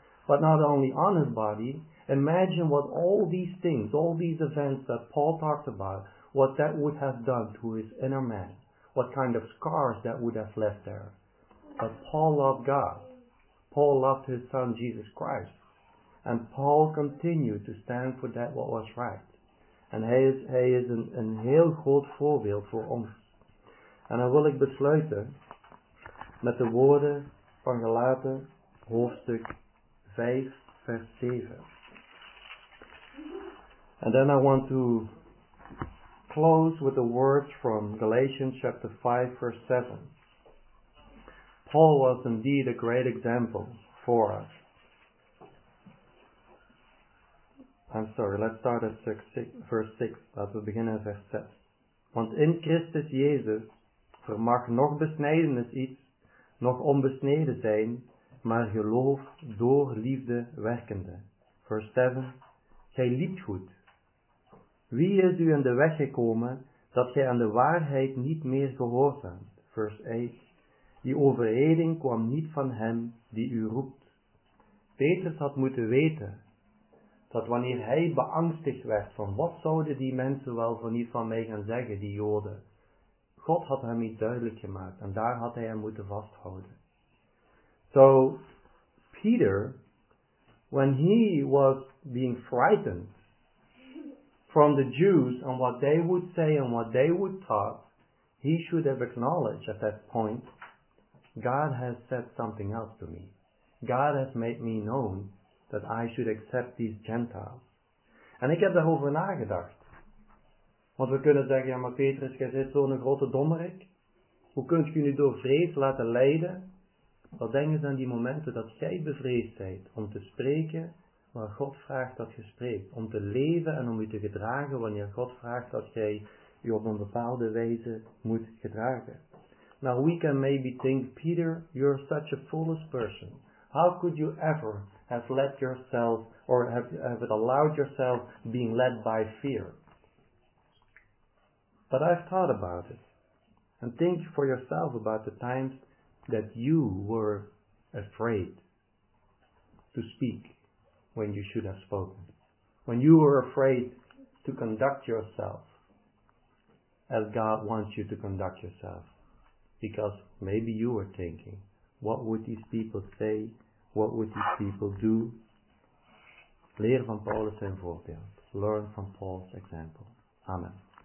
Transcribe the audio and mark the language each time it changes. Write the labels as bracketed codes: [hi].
[en] But not only on his body, imagine what all these things, all these events that Paul talked about, what that would have done to his inner man, what kind of scars that would have left there. But Paul loved God. Paul loved his son Jesus Christ. And Paul continued to stand for that what was right. [nl] And hij is een heel groot voorbeeld voor ons. En dan wil ik besluiten met de woorden van Galaten hoofdstuk 5 vers 7. [en] And then I want to close with the words from Galatians chapter 5 verse 7. Paul was indeed a great example for us. I'm sorry, let's start at verse 6. [nl] Laten we beginnen in vers 6. Want in Christus Jezus vermag nog besnijdenis iets, nog onbesneden zijn, maar geloof door liefde werkende. Vers 7. Gij liept goed. Wie is u in de weg gekomen, dat gij aan de waarheid niet meer gehoorzaamt? Vers 8. Die overreding kwam niet van hem die u roept. Petrus had moeten weten dat wanneer hij beangstigd werd van wat zouden die mensen wel van niet van mij gaan zeggen, die Joden. God had hem iets duidelijk gemaakt en daar had hij hem moeten vasthouden. [en] So, Peter, when he was being frightened from the Jews and what they would say and what they would talk, he should have acknowledged at that point, God has said something else to me. God has made me known that I should accept these Gentiles. [nl] En ik heb daarover nagedacht. Want we kunnen zeggen, ja maar Petrus, jij bent zo'n grote dommerik. Hoe kun je nu door vrees laten leiden? Wat denk je aan die momenten dat jij bevreesd bent om te spreken waar God vraagt dat je spreekt. Om te leven en om je te gedragen wanneer God vraagt dat jij je op een bepaalde wijze moet gedragen. [en] Now we can maybe think, Peter, you're such a foolish person. How could you ever have let yourself, or have allowed yourself being led by fear? But I've thought about it. And think for yourself about the times that you were afraid to speak when you should have spoken. When you were afraid to conduct yourself as God wants you to conduct yourself. Because maybe you were thinking, what would these people say? What would these people do? [nl] Leer van Paulus zijn voorbeeld. [en] Learn from Paul's example. Amen.